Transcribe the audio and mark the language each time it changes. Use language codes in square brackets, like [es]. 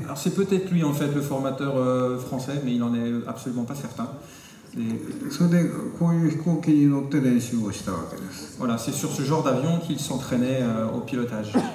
[fr] Alors, c'est peut-être lui, en fait, le formateur français, mais il n'en est absolument pas certain. [ja] それでこういう飛行機に乗って練習をしたわけです。 [fr] Voilà, c'est sur ce genre d'avion qu'il s'entraînait au pilotage.